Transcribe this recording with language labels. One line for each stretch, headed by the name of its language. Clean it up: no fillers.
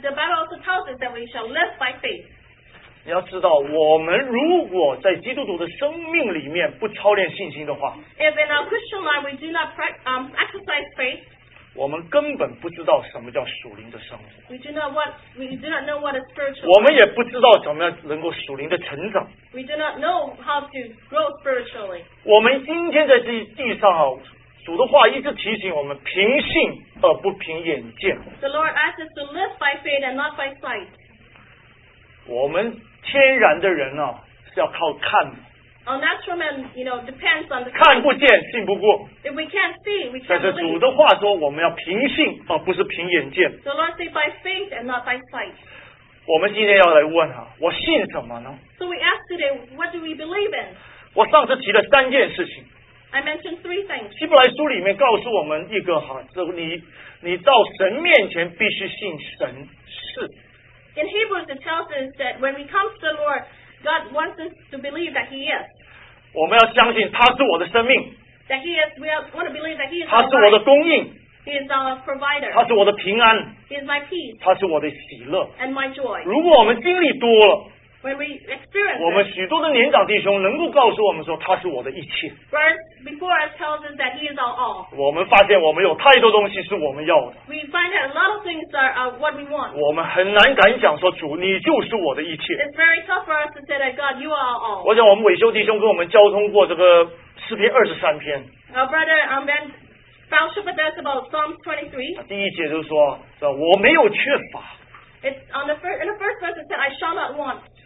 English: the Bible also tells us that we shall live by faith.
Chinese: 你要知道，我们如果在基督徒的生命里面不操练信心的话，
English: If in our Christian life we do not exercise faith,
Chinese: 我们根本不知道什么叫属灵的生活。
English: We do not know what is spiritual.
Chinese: 我们也不知道怎么样能够属灵的成长。
English: We do not know how to grow spiritually.
Chinese: 我们今天在这地上啊。主的话一直提醒我们，凭信而不凭眼见。
English: The Lord asks us to live by faith and not by sight.
Chinese: 我们 天然的人啊，是要靠看的。
English: Our natural man, depends on the
Chinese: 看不见，信不过。
English: If we can't see, we can't.
Chinese: 但是主的话说，我们要凭信，而不是凭眼见。
English: The Lord say by faith and not by sight.
Chinese: 我们今天要来问啊，我信什么呢？
English: So we ask today, what do we believe in?
Chinese: 我上次提了三件事情。
English: I mentioned three things.
Chinese: 希伯来书里面告诉我们一个哈，就你到神面前必须信神是。
English: In Hebrews, it tells us that when we come to the Lord, God wants us to believe that He is.
Chinese: 我们要相信他是我的生命,
English: that He is, we want to believe that He is
Chinese: 他是我的供应,
English: our life. He is our provider.
Chinese: 他是我的平安,
English: He is my peace.
Chinese: 他是我的喜乐,
English: and my joy.
Chinese: 如果我们经历多了,
English: when we experience it,
Chinese: 我们许多的年长弟兄能够告诉我们说他是我的一切,
English: whereas before us tells us that He is our all.
Chinese: 我们发现我们有太多东西是我们要的,
English: we find that a lot of things are what we want.
Chinese: 我们很难敢讲说主你就是我的一切,
English: it's very tough for us to say that God you are our all.
Chinese: 我想我们伟修弟兄跟我们交通过这个诗篇23篇,
English: our brother Ben fellowship with us about Psalms 23.
Chinese: 第一节就是说我没有缺乏,
English: it's on the first, in the first verse it said I shall not want.